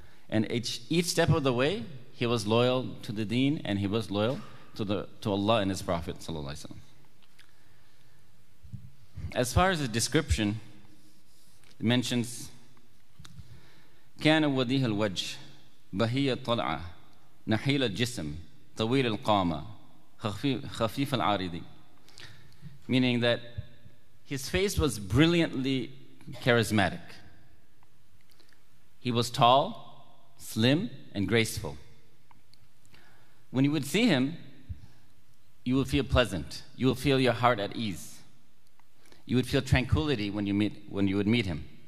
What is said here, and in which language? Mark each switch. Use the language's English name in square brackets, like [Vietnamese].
[English] And each step of the way, he was loyal to the deen, and he was loyal to Allah and his Prophet sallallahu alaihi wasallam. As far as the description, it mentions, [Arabic] كان وديه الوجه بهي الطلعة نحيل الجسم طويل القامة خفيف العارض. [English] Meaning that his face was brilliantly charismatic. He was tall, slim, and graceful. When you would see him, you would feel pleasant. You would feel your heart at ease. You would feel tranquility when you would meet him.